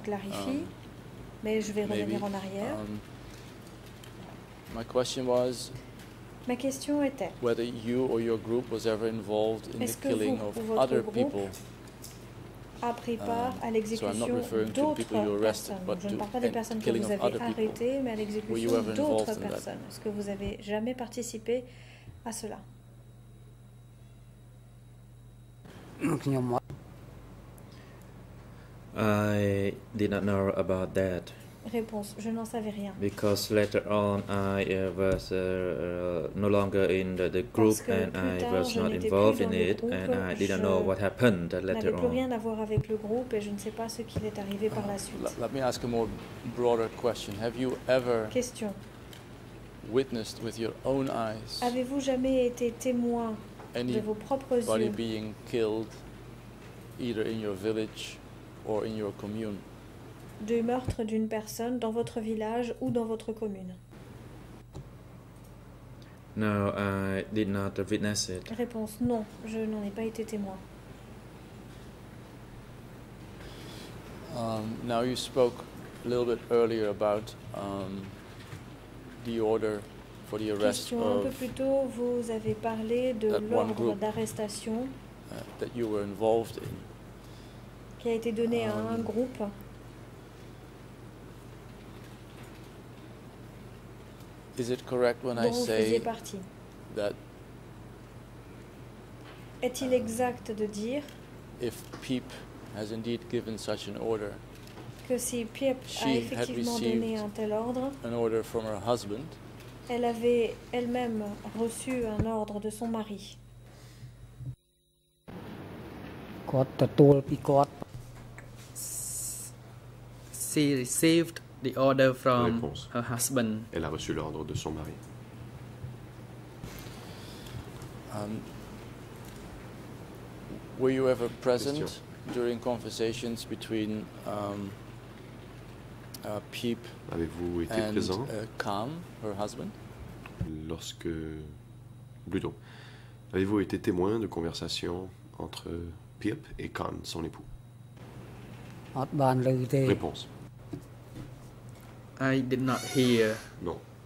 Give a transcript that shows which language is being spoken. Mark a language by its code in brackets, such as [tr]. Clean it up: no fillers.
[fr] Clarifie, mais je vais revenir en arrière. [en] My question was. [fr] Ma question était. [en] Whether you or your group was ever involved in the killing of other people. [fr] A pris part à l'exécution [en] so I'm not referring to people you arrested, but [fr] je [en] to [fr] parle pas des personnes que vous avez arrêtées, mais à l'exécution d'autres personnes. Est-ce que vous avez jamais participé à cela? [en] I did not know about that. [fr] Réponse, je n'en savais rien. [en] Because later on I was no longer in the group and I was not involved in it and I didn't know what happened later on. [fr] Je n'avais plus rien à voir avec le groupe et je ne sais pas ce qui est arrivé par la suite. [en] Let me ask a more broader question. Have you ever question. Witnessed with your own eyes? [fr] Avez-vous jamais été témoin de vos propres yeux? [en] Anybody being killed either in your village or in your commune? [fr] Du meurtre d'une personne dans votre village ou dans votre commune? [en] No, I did not witness it. [fr] Réponse, non, je n'en ai pas été témoin. [en] Now you spoke a little bit earlier about the order for the arrest [fr] question un peu plus tôt, vous avez parlé de l'ordre d'arrestation [en] that you were involved in. [fr] Qui a été donné à un groupe. [en] Is it correct when I say that [fr] est-il exact de dire [en] if Peep has indeed given such an order [fr] que si Peep a effectivement donné un tel ordre [en] an order from her husband [fr] elle avait elle-même reçu un ordre de son mari got the tool picot [en] she received the order from her husband. [fr] Elle a reçu l'ordre de son mari. [en] Were you ever present during conversations between Peep [fr] avez-vous été [en] and [fr] présent [en] Calm, her husband? [fr] Lorsque plutôt avez-vous été témoin de conversations entre Peep et Calm, son époux? Réponse. [en] I did not hear. No.